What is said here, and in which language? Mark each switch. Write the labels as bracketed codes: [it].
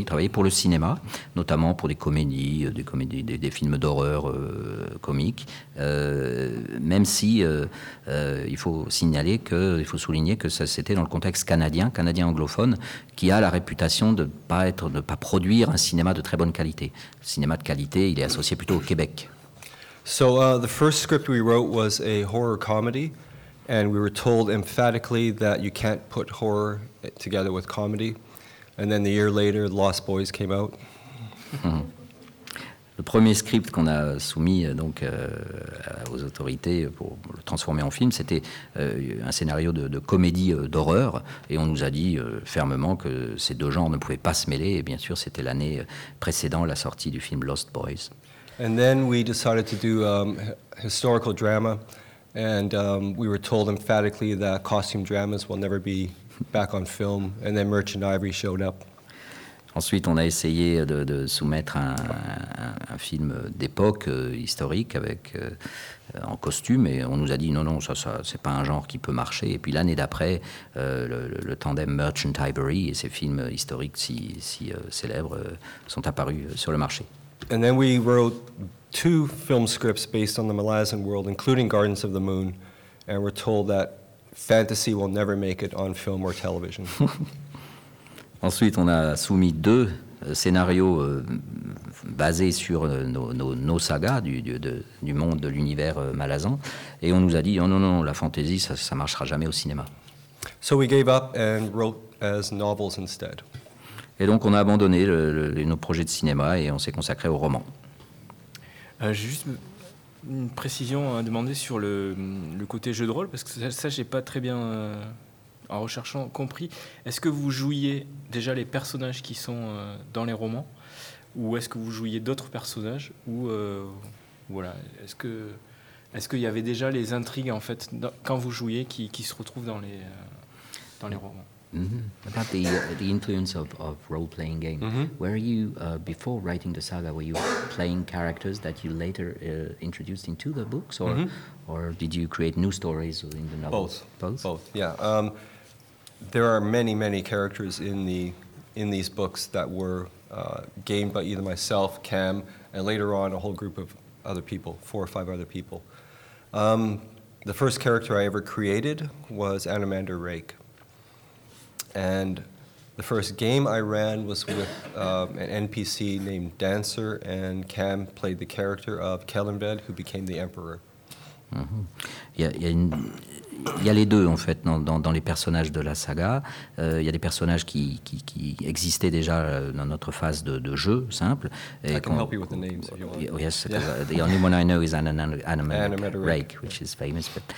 [fr] Ils travaillaient pour le cinéma, notamment pour des comédies, des films d'horreur comiques, même si il faut souligner que ça, c'était dans le contexte canadien anglophone, qui a la réputation de ne pas produire un cinéma de très bonne qualité. Le cinéma de qualité, il est associé plutôt au Québec. [en] So the first script we wrote was a horror comedy, and we were told emphatically that you can't put horror together with comedy. And then the year later, Lost Boys came out. [fr] Le premier script qu'on a soumis donc aux autorités pour le transformer en film, c'était un scénario de comédie d'horreur, et on nous a dit fermement que ces deux genres ne pouvaient pas se mêler. Et bien sûr, c'était l'année précédant la sortie du film Lost Boys. [en] And then we decided to do historical drama, and we were told emphatically that costume dramas will never be back on film, and then Merchant Ivory showed up. [fr] Ensuite, on a essayé de soumettre un film d'époque historique en costume, et on nous a dit non, ça c'est pas un genre qui peut marcher. Et puis l'année d'après, le tandem Merchant Ivory et ces films historiques si célèbres sont apparus sur le marché. [en] And then we wrote two film scripts based on the Malazan world, including Gardens of the Moon, and we're told that fantasy will never make it on film or television. [fr] Ensuite, on a soumis deux scénarios basés sur nos sagas du monde de l'univers Malazan, et on nous a dit, non, la fantasy, ça marchera jamais au cinéma. [en] So we gave up and wrote as novels instead. [fr] Et donc, on a abandonné nos projets de cinéma et on s'est consacré au roman. J'ai juste une précision à demander sur le côté jeu de rôle, parce que ça j'ai pas très bien, en recherchant, compris. Est-ce que vous jouiez déjà les personnages qui sont dans les romans, ou est-ce que vous jouiez d'autres personnages, est-ce qu'il y avait déjà les intrigues, en fait, quand vous jouiez, qui se retrouvent dans les romans? [en] Mm-hmm. About the influence of role-playing game. Mm-hmm. Were you, before writing the saga, were you playing characters that you later introduced into the books, or mm-hmm. or did you create new stories in the novels? Both, yeah. There are many, many characters in these books that were gained by either myself, Cam, and later on a whole group of other people, four or five other people. The first character I ever created was Anamander Rake. And the first game I ran was with an NPC named Dancer, and Cam played the character of Kellenved, who became the Emperor. [fr] Il y a les deux, en fait, dans les personnages de la saga. Il y a des personnages qui existaient déjà dans notre phase de jeu simple. [en] Et I can help you with the names if you want. Yes, yeah. The only one I know is Anamander Rake, which is famous.